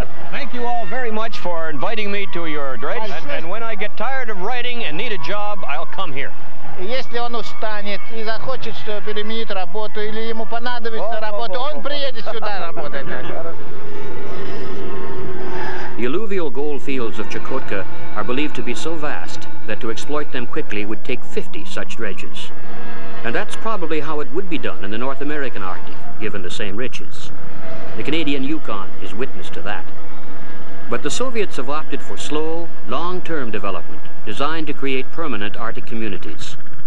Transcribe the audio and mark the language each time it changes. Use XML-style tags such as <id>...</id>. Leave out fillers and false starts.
<en>Thank you all very much for inviting me to your dredge. And when I get tired of writing and need a job, I'll come here.</en> <ru>Если он устанет и захочет, что переменит работу, или ему понадобится работа, он приедет сюда работать.</ru> <en>The alluvial gold fields of Chukotka are believed to be so vast that to exploit them quickly would take 50 such dredges. And that's probably how it would be done in the North American Arctic, given the same riches. The Canadian Yukon is witness to that. But the Soviets have opted for slow, long-term development designed to create permanent Arctic communities.</en>